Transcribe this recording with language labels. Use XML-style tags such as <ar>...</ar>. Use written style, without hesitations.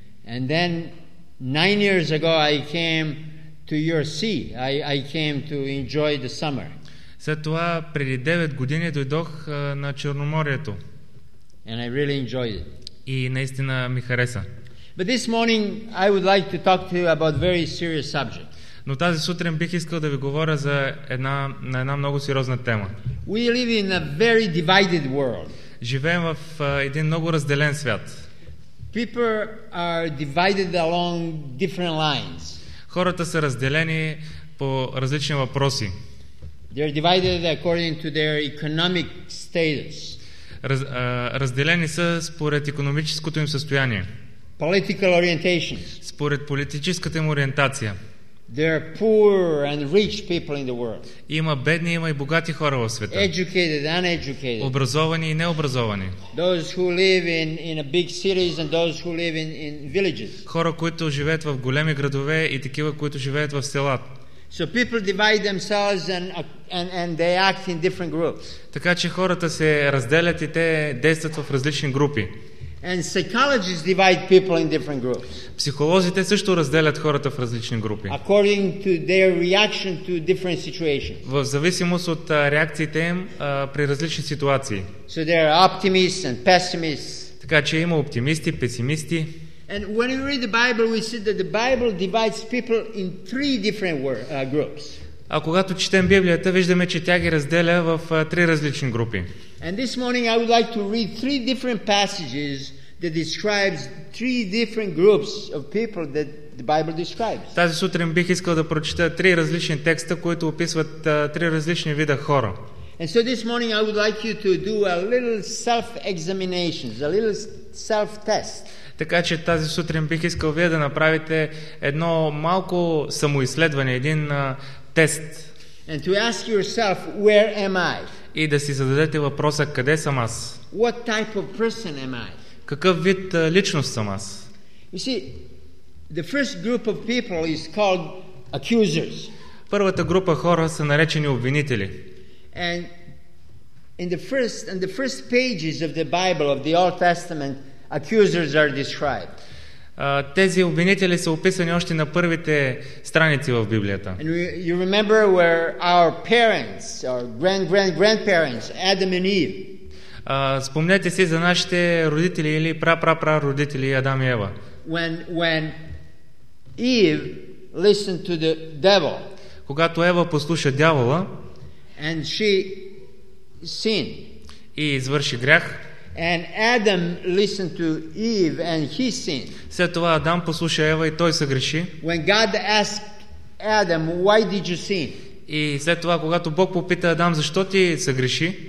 <en>And then 9 years ago I came to your sea. I came to enjoy the summer.</en> <bg>След това, преди 9 години, дойдох на Черноморието.</bg> <en>And I really enjoyed it.</en> <bg>И наистина ми хареса.</bg> <en>But this morning I would like to talk to you about very serious subject.</en> <bg>Но тази сутрин бих искал да ви говоря за една много сериозна тема.</bg> <en>We live in a very divided world.</en> <bg>Живеем в един много разделен свят.</bg> <en>People are divided along different lines.</en> <bg>Хората са разделени по различни въпроси.</bg> <en>They are divided according to their economic status.</en> <bg>Разделени са според икономическото им състояние.</bg> <en>Political orientations.</en> <bg>Според политическата им ориентация.</bg> <en>There are poor and rich people in the world.</en> <bg>Има бедни, има и богати хора в света.</bg> <en>Educated and uneducated.</en> <bg>Образовани и необразовани.</bg> <en>Those who live in a big cities and those who live in villages.</en> <bg>Хора, които живеят в големи градове и такива, които живеят в села.</bg> <en>So people divide themselves and they act in different groups.</en> <bg>Така че хората се разделят и те действат в различни групи.</bg> <en>And psychologists divide people in different groups.</en> <bg>Психолозите също разделят хората в различни групи.</bg> <en>According to their reaction to different situations.</en> <bg>В зависимост от реакциите им при различни ситуации.</bg> <en>So there are optimists and pessimists.</en> <bg>Така че има оптимисти, песимисти.</bg> <en>And when you read the Bible, we see that the Bible divides people in three different groups.</en> <bg>А когато четем Библията, виждаме, че тя ги разделя в три различни групи.</bg> <en>And this morning I would like to read three different passages that describes three different groups of people that the Bible describes.</en> <bg>Тази сутрин бих искал да прочета три различни текста, които описват три различни вида хора.</bg> <en>And so this morning I would like you to do a little self-examination, a little self-test.</en> <bg>Така че тази сутрин бих искал вие да направите едно малко самоизследване, един тест.</bg> <en>And to ask yourself, where am I?</en> <bg>И да си зададете въпроса, къде съм аз?</bg> <en>What type of person am I?</en> <bg>Какъв вид личност съм аз?</bg> <en>You see, the first group of people is called accusers.</en> <bg>Първата група хора са наречени обвинители.</bg> <en>And in the first pages of the Bible, of the Old Testament, accusers are described.</en> <bg>Тези обвинители са описани още на първите страници в Библията.</bg> <en>And you remember where our parents, our grandparents, Adam and Eve.</en> <bg>Спомнете си за нашите родители или пра родители Адам и Ева.</bg> <en>When Eve listened to the devil.</en> <bg>Когато Ева послуша дявола.</bg> <en>And she sinned.</en> <bg>И извърши грях.</bg> <en>And Adam listened to Eve and he sinned.</en> <bg>След това Адам послуша Ева и той съгреши.</bg> <en>When God asked Adam, why did you sin?</en> <bg>И след това, когато Бог попита Адам, защо ти съгреши?</bg>